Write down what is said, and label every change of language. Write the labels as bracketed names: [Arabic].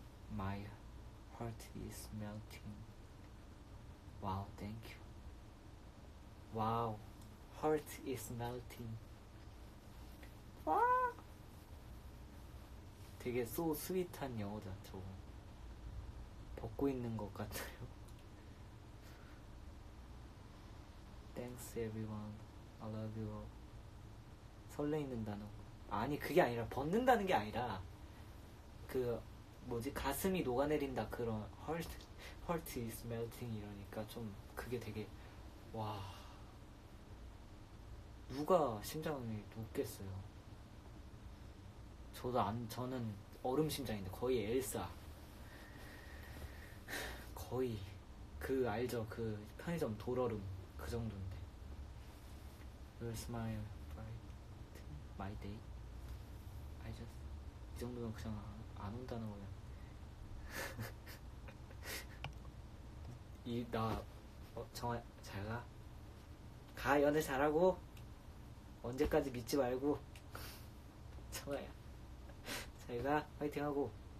[English] 마이 heart is melting. 와우 땡큐. 와우 heart is melting. [Korean] 와 되게 [English] so sweet [Korean] 한 영어다 저거. 벗고 있는 것 같아요. [English] Thanks everyone. I love you. [Korean] 설레이는 단어. 아니 그게 아니라 벗는다는 게 아니라 그 뭐지 가슴이 녹아내린다 그런 [English] heart is melting [Korean] 이러니까 좀 그게 되게 와 누가 심장이 녹겠어요. 저도 안 저는 얼음 심장인데 거의 엘사. 거의 그 알죠? 그 편의점 돌얼음 그 정도인데. [English] Your smile bright my day. I just [Korean] 이 정도면 그냥 안 온다는 거야. 이 나 어 정아 잘 가. 가 연애 잘하고 언제까지 믿지 말고 정아야 잘 가 파이팅하고.